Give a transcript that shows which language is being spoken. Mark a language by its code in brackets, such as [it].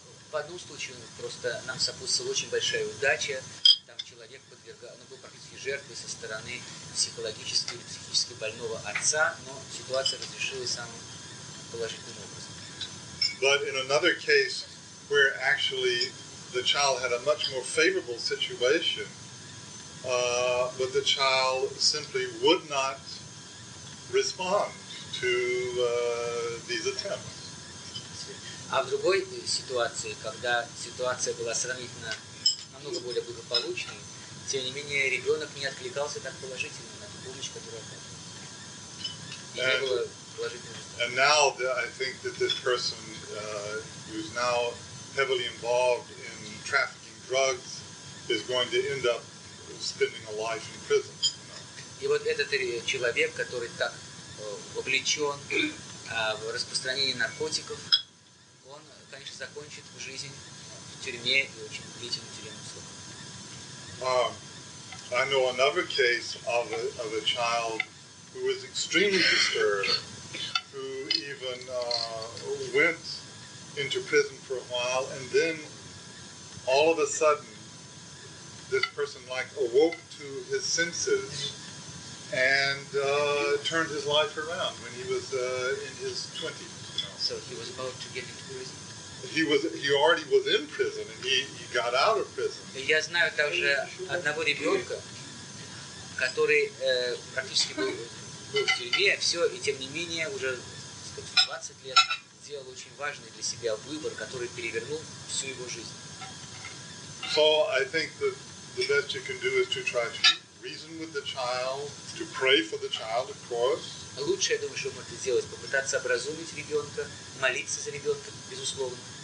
[ru] В одном случае просто нам сопутствовала очень большая удача. Там человек был практически жертвой со стороны психологически или психически больного отца, но ситуация разрешилась самым положительным образом. [en] But in another case, where actually the child had a much more favorable situation, but the child simply would not respond to these attempts. [ru] А в другой ситуации, когда ситуация была сравнительно намного более благополучной, тем не менее ребенок не откликался так положительно на ту помощь, которую оказывал. И не было положительного. [en] And now I think that this person who's now heavily involved in trafficking drugs is going to end up spending a life in prison. [ru] И вот этот человек, который так вовлечен в распространение наркотиков, конечно, закончит жизнь в тюрьме и очень длительный тюремный срок. [en] I know another case of a child who was extremely disturbed, who even went into prison for a while, and then all of a sudden this person like awoke to his senses and turned his life around when he was in his 20s. You know. So he was about to get into prison. He already was in prison, and he got out of prison. [ru] Я знаю также одного ребенка, который практически был в тюрьме, все, и тем не менее уже, скажем, 20 лет сделал очень важный для себя выбор, который перевернул всю его жизнь. [en] So I think that the best you can do is to try to reason with the child, to pray for the child, of course. [ru] Лучшее, я думаю, что можно сделать, попытаться образумить ребенка, молиться за ребенка, безусловно.